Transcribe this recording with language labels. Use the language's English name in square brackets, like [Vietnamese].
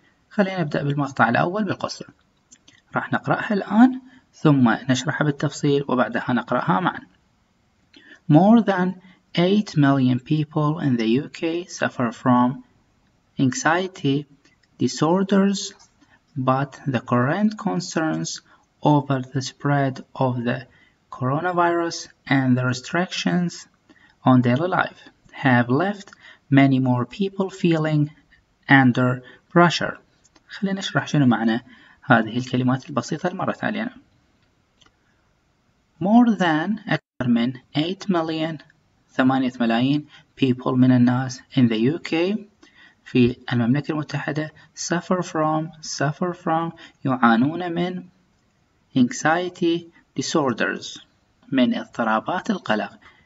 [Arabic] خلينا نبدأ بالمقطع الأول بالقصة. راح نقرأها الآن ثم نشرحها بالتفصيل وبعدها نقرأها معا. [English] More than 8 million people in the UK suffer from anxiety disorders, but the current concerns over the spread of the coronavirus and the restrictions on daily life have left many more people feeling under pressure. [Arabic] خلينا نشرح شنو معنى هذه الكلمات البسيطة اللي مرت علينا. [English] More than [Arabic] أكثر من [English] 8 million [Arabic] 8 ملايين [English] people [Arabic] من الناس [English] in the UK [Arabic] في المملكة المتحدة [English] suffer from [Arabic] يعانون من [English] anxiety disorders [Arabic] من اضطرابات القلق.